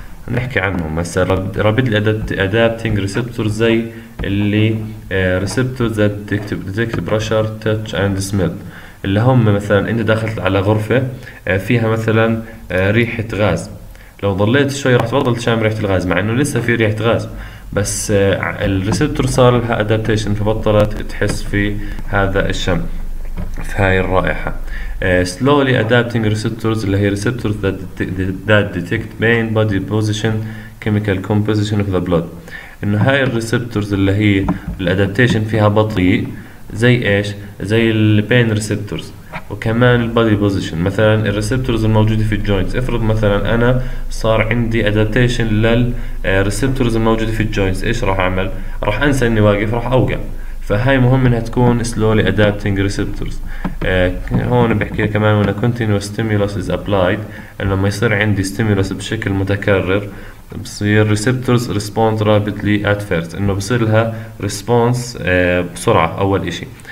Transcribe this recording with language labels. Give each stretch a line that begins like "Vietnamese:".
Arabic: نحكي عنهم مثلا رابيدلي ادابتنج ريسبتورز، زي اللي ريسبتورز ذات ديتكت بريشر، تاتش اند سميل، اللي هم مثلا انت دخلت على غرفه فيها مثلا ريحه غاز، لو ضليت شوي راح تفضل تشم ريحه الغاز مع انه لسه في ريحه غاز، بس الريسبتور صار لها ادابتيشن فبطلت تحس في هذا الشم في هاي الرائحه.
English: Slowly adapting receptors اللي هي receptors that detect main body position chemical composition of the blood،
Arabic: انه هاي الريسبتورز اللي هي الادابتيشن فيها بطيء. زي ايش؟ زي البين ريسبتورز وكمان البادي بوزيشن. مثلا الريسبتورز الموجوده في الجوينتس، افرض مثلا انا صار عندي ادابتيشن للريسبتورز الموجوده في الجوينتس، ايش راح اعمل؟ راح انسى اني واقف، راح اوقع. فهاي مهم انها تكون slowly adapting receptors. هون بحكي كمان
English: when a continuous stimulus is applied,
Arabic: لما يصير عندي stimulus بشكل متكرر بصير
English: receptors respond rapidly at first,
Arabic: انه بصير لها response بسرعة اول اشي.